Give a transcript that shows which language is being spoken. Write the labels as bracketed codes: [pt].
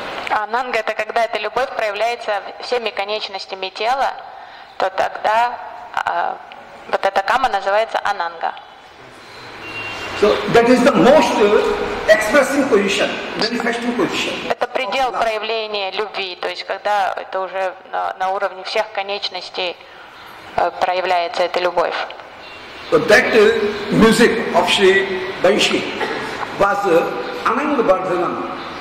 [ru] Ананга это когда эта любовь проявляется всеми конечностями тела, то тогда вот эта кама называется ананга. [en] So that is the most expressing position, manifesting position. [ru] Это предел проявления любви, то есть когда это уже на уровне всех конечностей проявляется эта любовь. [en] So that music of Sri Banshi was ananga bardhanam.